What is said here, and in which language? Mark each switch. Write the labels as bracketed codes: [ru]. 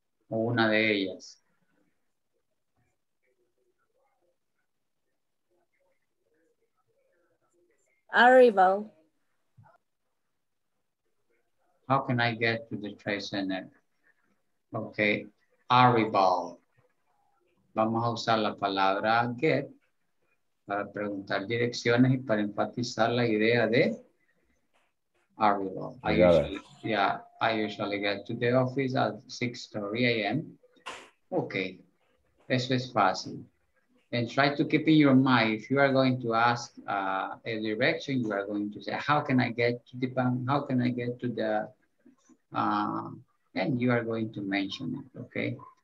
[es] ¿O una de ellas? [en] Arrival. How can I get to the trade center? Okay, arrival. [es] Vamos a usar la palabra get para preguntar direcciones y para enfatizar la idea de arrival. [en] I usually get to the office at 6:30 a.m. Okay, [es] eso es fácil. [en] And try to keep in your mind, if you are going to ask a direction, you are going to say, how can I get to the bank? How can I get to the, and you are going to mention it, okay?